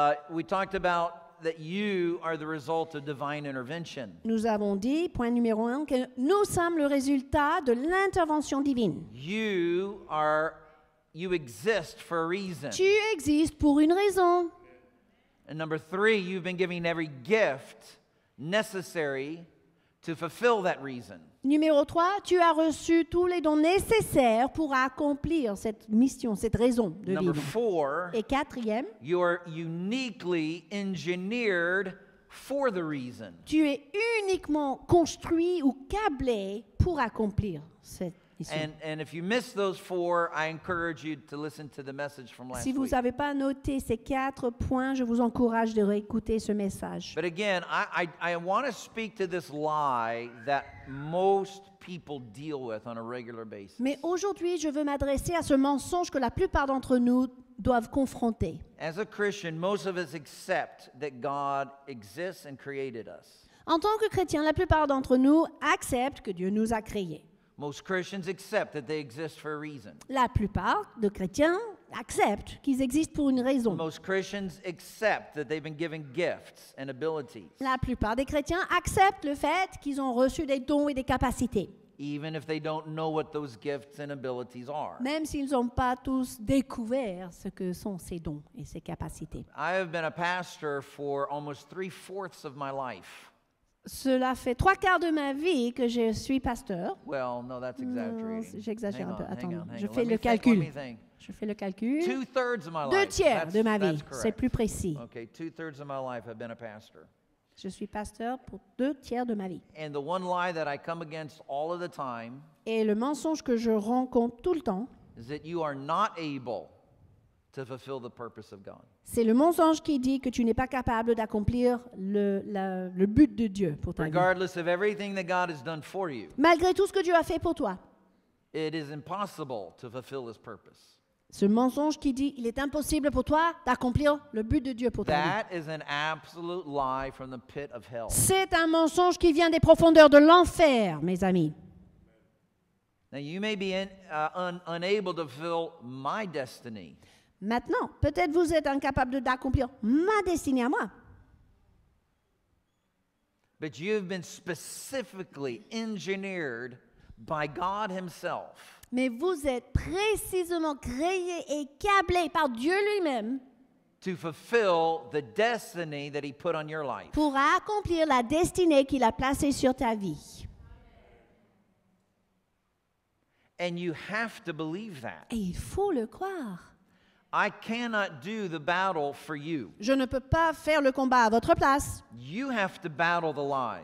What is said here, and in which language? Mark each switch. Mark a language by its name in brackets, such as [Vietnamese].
[English] We talked about that you are the result of divine intervention. [French] Nous avons dit, point numéro un, que nous sommes le résultat de l'intervention divine. [English] You exist for a reason. [French] Tu existes pour une raison. [English] And number three, you've been given every gift necessary to fulfill that reason. [French] Numéro 3, tu as reçu tous les dons nécessaires pour accomplir cette mission, cette raison de [English] number [French] vivre. [English] Four, [French] et quatrième, [English] you are uniquely engineered for the reason. [French] Tu es uniquement construit ou câblé pour accomplir cette mission. [English] And if you missed those four, I encourage you to listen to the message from last week. [French] Si vous n'avez pas noté ces quatre points, je vous encourage de réécouter ce message. [English] But again, I want to speak to this lie that most people deal with on a regular basis. [French] Mais aujourd'hui, je veux m'adresser à ce mensonge que la plupart d'entre nous doivent confronter. [English] As a Christian, most of us accept that God exists and created us. [French] En tant que chrétien, la plupart d'entre nous acceptent que Dieu nous a créés. [English] Most Christians accept that they exist for a reason. [French] La plupart de chrétiens acceptent qu'ils existent pour une raison. [English] Most Christians accept that they've been given gifts and abilities. [French] La plupart des chrétiens acceptent le fait qu'ils ont reçu des dons et des capacités. [English] Even if they don't know what those gifts and abilities are. [French] Même s'ils n'ont pas tous découvert ce que sont ces dons et ces capacités. [English] I have been a pastor for almost 3/4 of my life. [French] Cela fait trois quarts de ma vie que je suis pasteur. [English] Well, no, that's exaggerating. [French] J'exagère [English] hang [French] un peu. Attends, [English] hang on, [French] je fais le calcul. [English] Two-thirds of my life. [French] Deux tiers [English] that's, [French] de ma vie, [English] correct. [French] C'est plus précis. [English] Okay, two-thirds of my life have been a pastor. [French] Je suis pasteur pour deux tiers de ma vie. [English] And the one lie that I come against all of the time. [French] Et le mensonge que je rencontre tout le temps. [English] Is that you are not able to fulfill the purpose of God. [French] C'est le mensonge qui dit que tu n'es pas capable d'accomplir le but de Dieu pour ta vie. [English] Regardless of everything that God has done for you. [French] Malgré tout ce que Dieu a fait pour toi. [English] It is impossible to fulfill his purpose. [French] Ce mensonge qui dit il est impossible pour toi d'accomplir le but de Dieu pour ta [English] that [French] vie. [English] Is an absolute lie from the pit of hell. [French] C'est un mensonge qui vient des profondeurs de l'enfer, mes amis. [English] Now you may be unable to fulfill my destiny. [French] Maintenant, peut-être vous êtes incapable d'accomplir ma destinée à moi. [English] But you've been specifically engineered by God himself. [French] Mais vous êtes précisément créé et câblé par Dieu lui-même. [English] To fulfill the destiny that he put on your life. [French] Pour accomplir la destinée qu'il a placée sur ta vie. [English] And you have to believe that. [French] Et il faut le croire. [English] I cannot do the battle for you. [French] Je ne peux pas faire le combat à votre place. [English] You have to battle the lies.